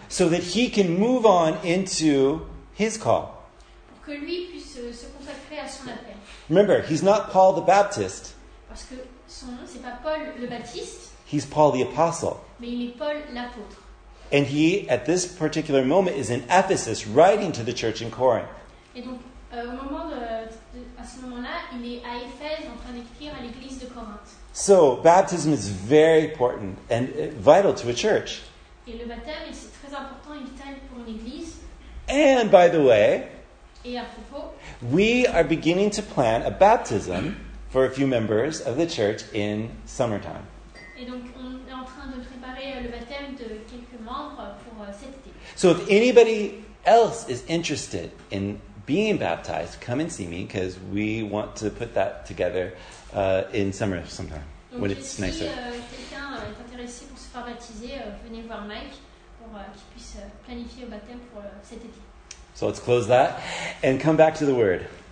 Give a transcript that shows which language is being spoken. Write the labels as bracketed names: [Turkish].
[English] So that he can move on into his call. [French] Que lui puisse se consacrer à son appel. [English] Remember, he's not Paul the Baptist. [French] Parce que son nom, c'est pas Paul le Baptiste. [English] He's Paul the Apostle. [French] Mais il est Paul l'apôtre. [English] And he, at this particular moment, is in Ephesus, writing to the church in Corinth. [French] Et donc, au moment à ce moment-là, il est à Éphèse, en train d'écrire à l'église de Corinthe. [English] So, baptism is very important and vital to a church. [French] Et le baptême, c'est très important et vital pour une église. [English] And, by the way, [French] et à propos, [English] we are beginning to plan a baptism for a few members of the church in summertime. [French] Et donc on est en train de préparer le baptême de quelques membres pour cet été. [English] So if anybody else is interested in being baptized, come and see me because we want to put that together in summer sometime [French] donc [English] when it's [French] si [English] nicer. [French] Si quelqu'un est intéressé pour se faire baptiser, venez voir Mike pour qu'il puisse planifier le baptême pour cet été. [English] So let's close that and come back to the word.